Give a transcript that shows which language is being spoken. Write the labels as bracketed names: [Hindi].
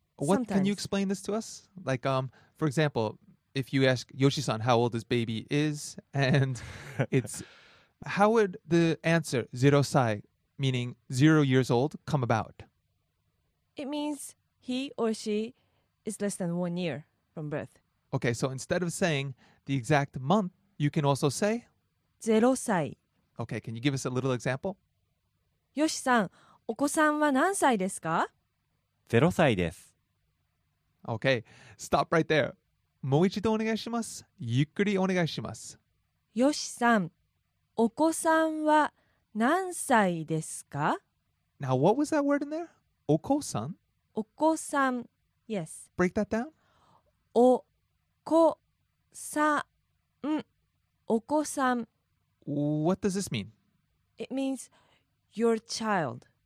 [English] What, can you explain this to us? Like, for example, if you ask Yoshi-san how old his baby is, and it's, how would the answer 0歳, meaning 0 years old, come about? It means he or she is less than 1 year from birth. Okay, so instead of saying the exact month, you can also say [Japanese] 0歳. [English] Okay, can you give us a little example? [Japanese] Yoshi-san, お子さんは何歳ですか? 0歳です。 [English] Okay, stop right there. [Japanese] もう一度お願いします。ゆっくりお願いします。ヨシさん、お子さんは何歳ですか? [English] Now, what was that word in there? [Japanese] お子さん? お子さん、yes. [English] Break that down. [Japanese] お子さん、お子さん。 [English] What does this mean? It means your child.